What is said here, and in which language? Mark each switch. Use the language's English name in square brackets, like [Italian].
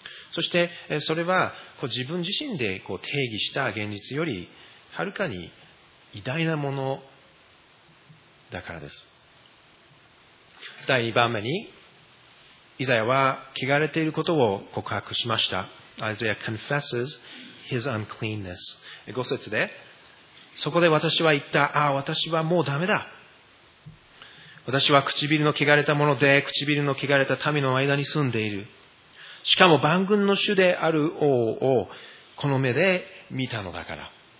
[Japanese] そしてそれは自分自身で定義した現実よりはるかに偉大なものだからです。第2番目にイザヤは汚れていることを告白しました。 [English] Isaiah confesses his uncleanness。 [Japanese] 5節で、そこで私は言った、ああ私はもうダメだ、私は唇の汚れたもので、唇の汚れた民の間に住んでいる、しかも万軍の主である王をこの目で見たのだから。